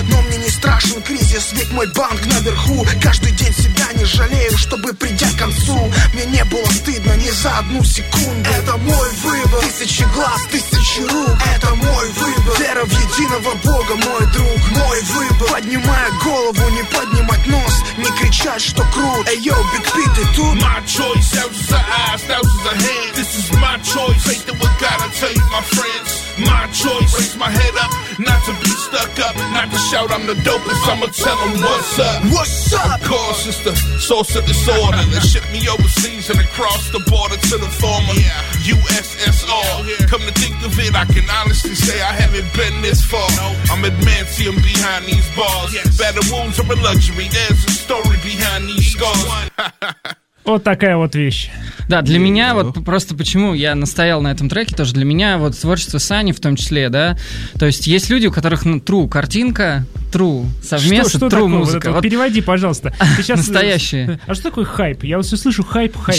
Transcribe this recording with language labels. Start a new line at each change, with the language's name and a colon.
Russian: Но мне не страшен кризис, ведь мой банк наверху. Каждый день себя не жалею, чтобы придя к концу, мне не было стыдно ни за одну секунду. Это мой выбор, тысячи глаз, тысячи рук. Это мой выбор, вера в единого Бога, мой друг. Мой выбор, поднимая голову, не поднимать нос, не кричать, что крут. Эй, йоу, Биг Пит, ты тут?
English: My choice, that was the eyes, that was the hand. This is my choice, faith that we gotta take, my friends. My choice, raise my head up, not to be stuck up. Not to shout I'm the dopest, I'ma tell them what's up. What's up? Of course, it's the source of disorder. They ship me overseas and across the border to the former USSR. Come to think of it, I can honestly say I haven't been this far. I'm advancing behind these bars. Battle wounds are a luxury, there's a story behind these scars.
Russian: Вот такая вот вещь. Да, для меня вот просто почему я настоял на этом треке тоже. Для меня вот творчество Сани в том числе, да. То есть есть люди, у которых true картинка, true совместно, что true музыка. Вот переводи, пожалуйста. Настоящие. А что такое хайп? Я вот все слышу хайп, хайп.